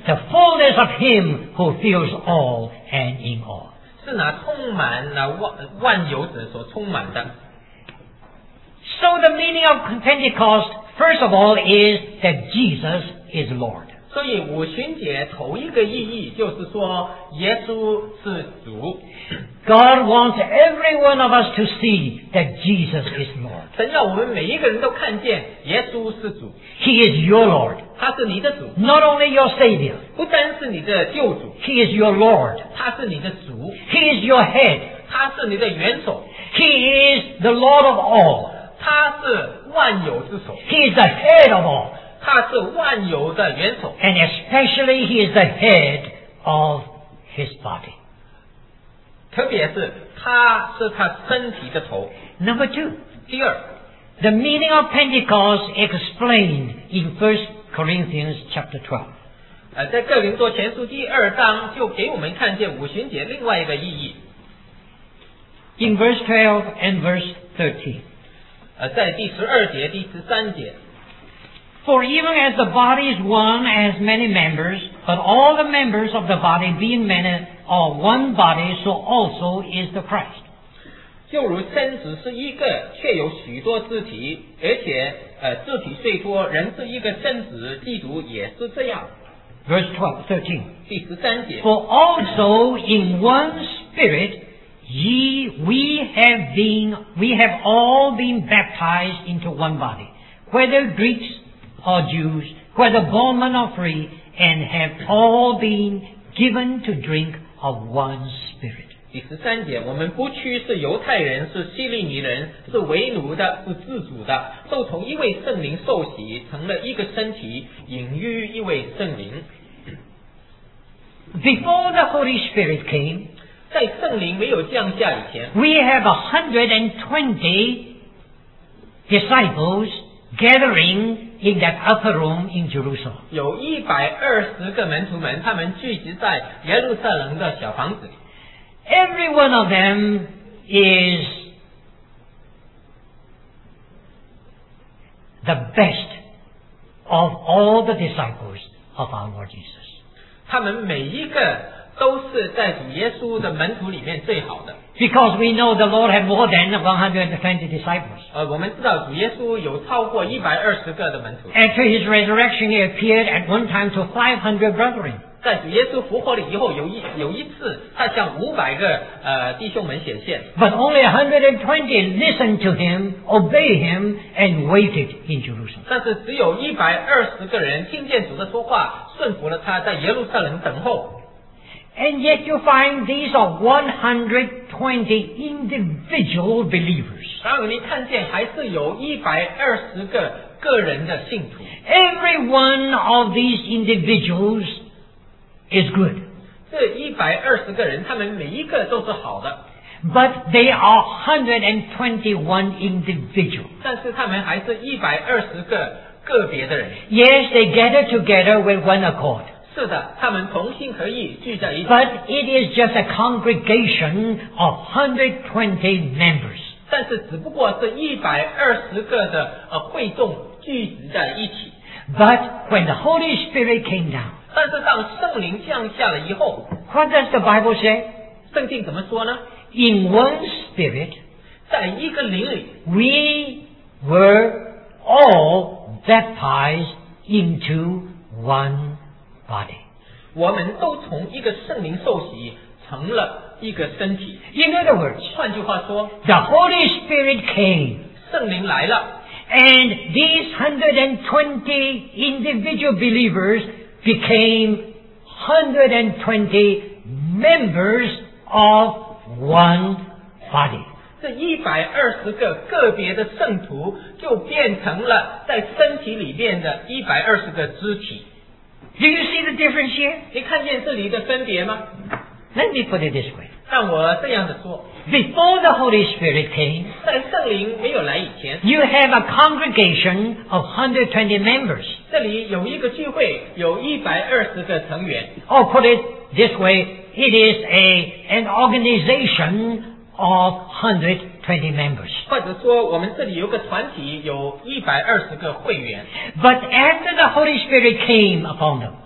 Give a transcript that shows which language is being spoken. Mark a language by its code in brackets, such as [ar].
[en] The fullness of him who fills all and in all. [zh] 是那充满那 万有者所充满的。 [en] So the meaning of Pentecost,First of all, is that Jesus is Lord. [zh] 所以五旬节头一个意义就是说耶稣是主。 [en] God wants every one of us to see that Jesus is Lord. [zh] 神要我们每一个人都看见耶稣是主。 [en] He is your Lord. [zh] 他是你的主。 [en] Not only your Savior. [zh] 不单是你的救主。 [en] He is your Lord. [zh] 他是你的主。 [en] He is your head. [zh] 他是你的元首。 [en] He is the Lord of all. [zh] 他是万有之首。 [en] He is the head of all. [zh] 他是万有的元首。 [en] And especially he is the head of his body. [zh] 特别是他是他身体的头。 [en] Number two. [zh] 第二。 [en] The meaning of Pentecost explained in 1 Corinthians chapter 12. [zh] 在哥林多前书第二章就给我们看见五旬节另外一个意义。 [en] In verse 12 and verse 13. [zh] 在第十二节第十三节。 [en] For even as the body is one and has many members, but all the members of the body being many are one body, so also is the Christ. [zh] 就如身子是一个却有许多肢体，而且肢体虽多仍是一个身子，基督也是这样。 [en] Verse 12, [zh] 13. 第十三节。 [en] For also in one spirit,We have all been baptized into one body, whether Greeks or Jews, whether bondman or free, and have all been given to drink of one spirit. [zh] 第十三节，我们不屈是犹太人，是希利尼人，是为奴的，是自主的，都从一位圣灵受洗，成了一个身体，隐于一位圣灵。 [en] Before the Holy Spirit came, [zh] 在圣灵没有降下以前， [en] We have 120 disciples gathering in that upper room in Jerusalem. [zh] 有120个门徒们，他们聚集在耶路撒冷的小房子。 [en] Every one of them is the best of all the disciples of our Lord Jesus. [zh] 他们每一个都是在主耶稣的门徒里面最好的。 [en] Because we know the Lord had more than 120 disciples. [zh] 我们知道主耶稣有超过120个的门徒。 [en] After his resurrection, he appeared at one time to 500 brethren. [zh] 在主耶稣复活了以后，有一次他向500个弟兄们显现。 [en] But only 120 listened to him, obey him, and waited in Jerusalem. [zh] 但是只有120个人听见主的说话，顺服了他，在耶路撒冷等候。 [en] And yet you find these are 120 individual believers. [zh] 然而你看见还是有120个个人的信徒。 [en] Every one of these individuals is good. [zh] 这120个人他们每一个都是好的。 [en] But they are 121 individuals. [zh] 但是他们还是120个个别的人。 [en] Yes, they gather together with one accord. [zh] 是的，他们同心合意聚在一起。 [en] But it is just a congregation of 120 members. [zh] 但是只不过是120个的会众聚集在一起。 [en] But when the Holy Spirit came down, [zh] 但是当圣灵降下了以后， [en] What does the Bible say? [zh] 圣经怎么说呢？ [en] In one spirit, [zh] 在一个灵里， [en] We were all baptized into one. Body. [zh] 我们都从一个圣灵受洗成了一个身体。 [en] In other words, [zh] 换句话说， [en] The Holy Spirit came. [zh] 圣灵来了。 [en] And these 120 individual believers became 120 members of one body. [zh] 这120个个别的圣徒就变成了在身体里面的120个肢体。 [en] Do you see the difference here? [zh] 你看见这里的分别吗？ [en] Let me put it this way. [zh] 让我这样的说。 [en] Before the Holy Spirit came, [zh] 在圣灵没有来以前， [en] you have a congregation of 120 members. [zh] 这里有一个聚会，有120个成员。 [en] Or put it this way, it is an organization of 120 members. [zh] 或者说我们这里有个团体，有120个会员。 [en] But after the Holy Spirit came upon them,